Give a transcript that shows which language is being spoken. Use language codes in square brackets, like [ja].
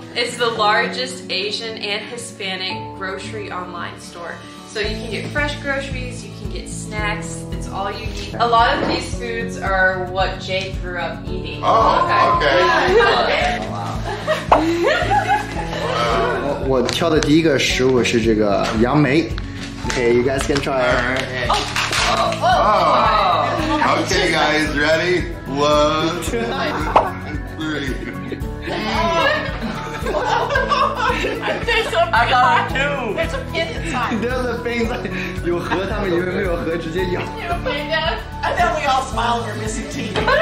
[en] It's the largest Asian and Hispanic grocery online store. So you can get fresh groceries, you can get snacks, it's all you need. A lot of these foods are what Jay grew up eating. Oh, okay. Wow. [zh] 我挑的第一个食物是这个杨梅。 [en] Okay, you guys can try. All right. Oh. Okay, guys, ready? One, two, three. I got it too. There's a pin inside. There's a thing inside. [zh] 有核，他们以为没有核，直接咬。 [en] And then we all smile and you're missing teeth.